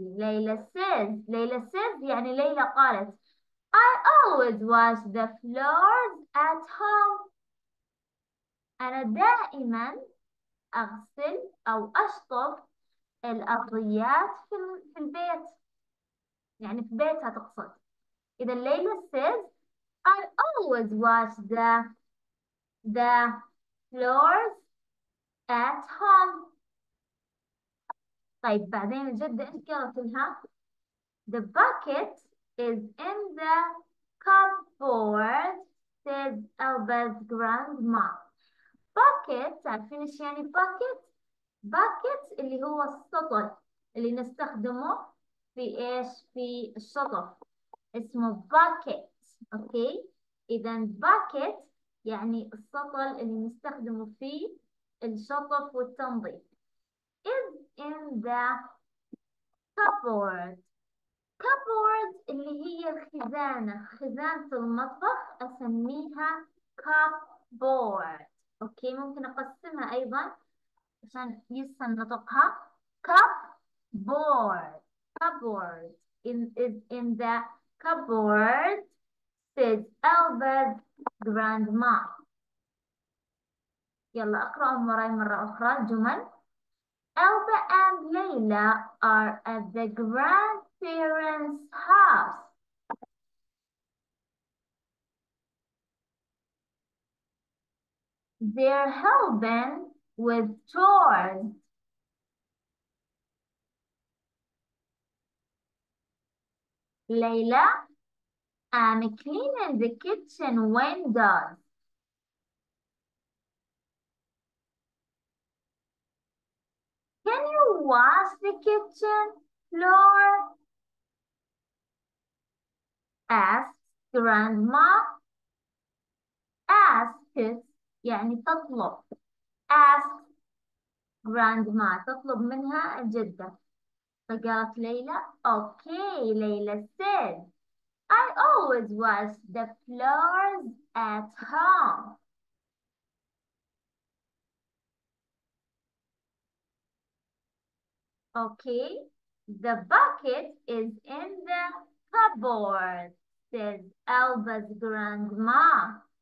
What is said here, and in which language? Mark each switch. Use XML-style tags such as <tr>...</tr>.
<en>ليلى says</en> <ar>يعني ليلى قالت</ar> <en>I always wash the floors at home.</en> <ar>أنا دائما أغسل أو أشطب الأرضيات في البيت. يعني في بيتها تقصد. إذا</ar> <en>ليلى says I always wash the floors at home.</en> <ar>طيب بعدين الجدة إيش قالت لها؟</ar> <en>The bucket is in the cupboard, says Alba's grandma.</en> <ar>Bucket, عارفين ايش يعني bucket؟ bucket اللي هو السطل اللي نستخدمه في ايش؟ في الشطف. اسمه bucket. اوكي اذا bucket يعني السطل اللي نستخدمه في الشطف والتنظيف.</ar> <en>is in the cupboard.</en> <ar>cupboard اللي هي الخزانة. خزانة المطبخ أسميها cupboard. أوكي ممكن أقسمها أيضا عشان يسهل نطقها.</ar> <en>cupboard. cupboard is in the cupboard, said Albert's grandma.</en> <ar>يلا أقرأ وراي مرة أخرى الجمل.</ar> <en>Alba and Layla are at the grandparents' house. They're helping with chores. Layla, I'm cleaning the kitchen windows. Can you wash the kitchen floor? Asked Grandma. Asked</en> <ar>يعني تطلب.</ar> <en>Asked Grandma</en> <ar>تطلب منها الجدة. فقالت ليلى okay.</ar> <en>ليلى said I always wash the floors at home. Okay, the bucket is in the cupboard, says Elba's grandma.</en>